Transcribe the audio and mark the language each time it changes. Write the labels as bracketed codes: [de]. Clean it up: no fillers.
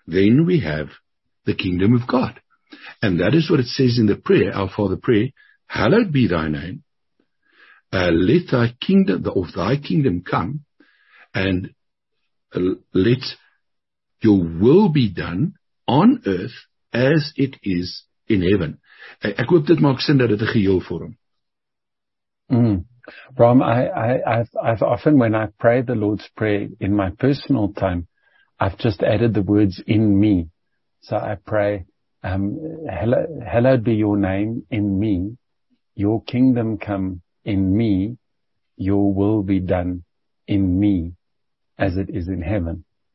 [en] Then we have the kingdom of God. And that is what it says in the prayer, our Father prayer, hallowed be thy name, let thy kingdom, of thy kingdom come and let your will be done on earth as it is in heaven. [af] Ek hoop dit maak sin dat dit 'n geheel vorm. [en] Ram, I've often when I pray the Lord's Prayer in my personal time, I've just added the words in me. So I pray, hallowed be your name in me, your kingdom come in me, your will be done in me as it is in heaven.